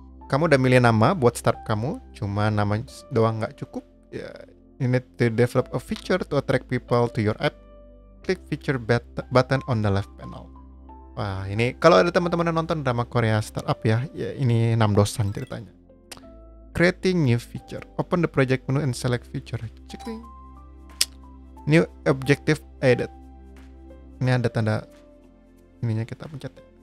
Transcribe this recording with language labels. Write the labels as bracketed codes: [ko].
[id] Kamu udah milih nama buat startup kamu, cuma nama doang nggak cukup. [en] You need to develop a feature to attract people to your app. Click feature button on the left panel. [id] Wah, ini kalau ada teman-teman yang nonton drama Korea startup ya, ya ini Nam Dosan ceritanya. [en] Creating new feature. Open the project menu and select feature. Checking. New objective added. [id] Ini ada tanda ininya kita pencet.